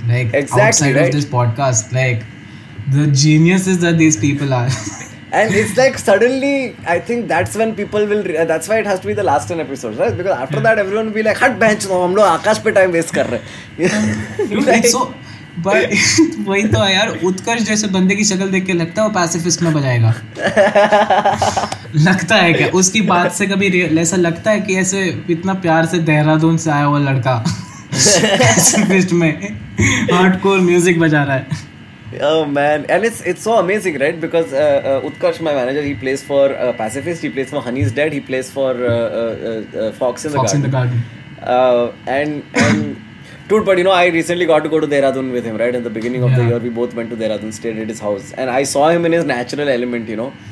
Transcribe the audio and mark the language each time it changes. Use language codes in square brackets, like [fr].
[en] Like, exactly, outside right? of this podcast, like, the geniuses that these people are. And it's like, suddenly, I think that's when people will... that's why it has to be the last 10 episodes, right? Because after that, everyone will be like, "Hat bench, no, [hi] hum log Aakash pe time waste kar rahe." But वही तो यार उत्कर्ष जैसे बंदे की शक्ल देख के लगता है वो पैसिफिस्ट में बजाएगा लगता है क्या उसकी बात से कभी ऐसा लगता है कि ऐसे इतना प्यार से देहरादून से आया हुआ लड़का पैसिफिस्ट में हार्डकोर म्यूजिक बजा रहा है [en] Oh man, and it's so amazing, right? Because Utkarsh, my manager, he plays for Pacifist, he plays for Honey's Dead, he plays for Fox in the Garden. Dude, but you know, I recently got to go to Dehradun with him, right? In the beginning of the year, we both went to Dehradun, stayed at his house. And I saw him in his natural element, you know.